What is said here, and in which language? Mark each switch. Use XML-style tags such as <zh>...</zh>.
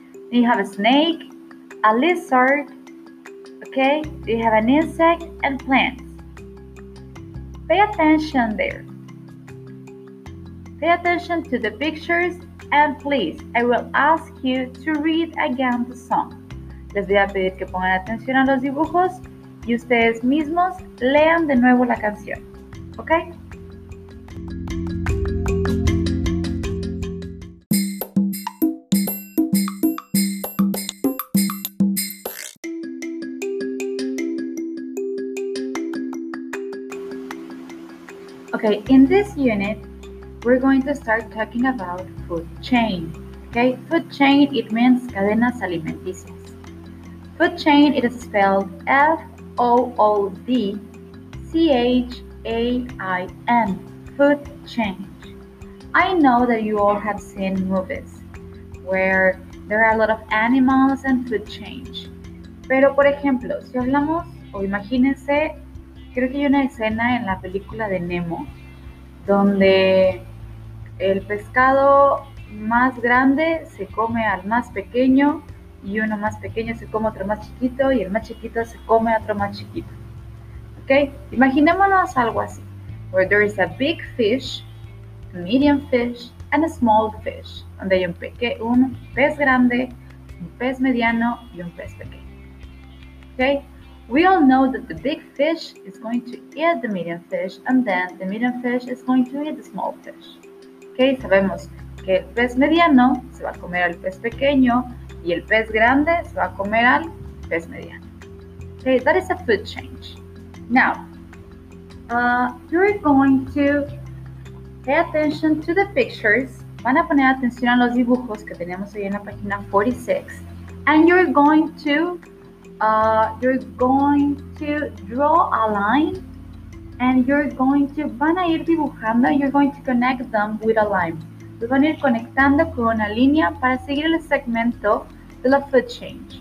<en>Then you have a snake, a lizard. Okay? You have an insect and plants. Pay attention there. Pay attention to the pictures. And please, I will ask you to read again the song.</en> <es>Les voy a pedir que pongan atención a los dibujos. Y ustedes mismos lean de nuevo la canción.</es> <en>Okay. Okay, in this unit, we're going to start talking about food chain. Okay, food chain, it means</en> <es>cadenas alimenticias.</es> <en>Food chain, it is spelled F-O-O-D-C-H-A-I-N. Food chain. I know that you all have seen movies where there are a lot of animals and food chain.</en> <es>Pero, por ejemplo, si hablamos, o imagínense, creo que hay una escena en la película de Nemo donde el pescado más grande se come al más pequeño y uno más pequeño se come otro más chiquito y el más chiquito se come otro más chiquito. Okay, imaginémonos algo así,</es> <en>where there is a big fish, a medium fish, and a small fish,</en> <es>donde hay un pez grande, un pez mediano, y un pez pequeño.</es> <en>Okay, we all know that the big fish is going to eat the medium fish, and then the medium fish is going to eat the small fish.</en> <es>Okay, sabemos que el pez mediano se va a comer al pez pequeño, y el pez grande se va a comer al pez mediano.</es> <en>Okay, that is a food chain. Now, you're going to pay attention to the pictures.</en> <es>Van a poner atención a los dibujos que tenemos ahí en la página 46.</es> <en>And you're going to draw a line. And you're going to connect them with a line.</en> <es>Los van a ir conectando con una línea para seguir el segmento de la food chain.</es>